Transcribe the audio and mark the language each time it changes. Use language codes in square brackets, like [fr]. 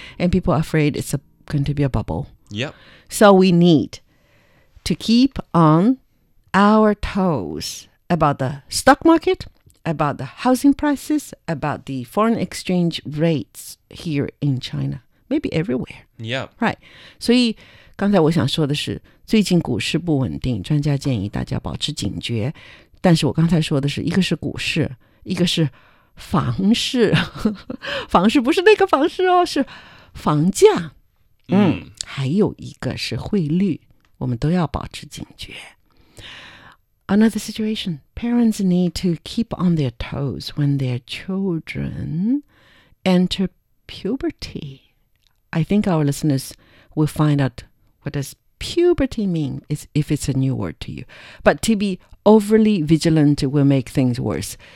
[en] And people are afraid it's going to be a bubble. Yep. So we need to keep on our toes about the stock market, about the housing prices, about the foreign exchange rates here in China, maybe everywhere. Yeah. Right. [zh] 所以刚才我想说的是, 最近股市不稳定, 专家建议大家保持警觉, 但是我刚才说的是, 一个是股市, 一个是房市, 房市不是那个房市哦, 是房价, 还有一个是汇率, 我们都要保持警觉. [en] Another situation. Parents need to keep on their toes when their children enter puberty. I think our listeners will find out what does puberty mean, if it's a new word to you. But to be overly vigilant will make things worse.